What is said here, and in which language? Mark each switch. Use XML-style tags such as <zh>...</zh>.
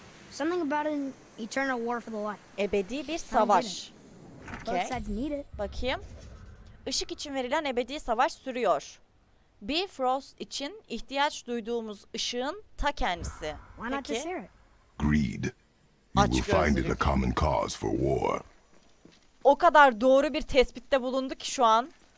<en>Something about an eternal war for the light.</en> <tr>Ebedi bir savaş. Okay. Bakayım. Işık için verilen ebedi savaş sürüyor. Bir Frost için ihtiyaç duyduğumuz ışığın ta kendisi. Peki.</tr> <en>Greed. You will find it a common cause for war.</en> <tr>O kadar doğru bir tespitte bulundu ki şu an.</tr>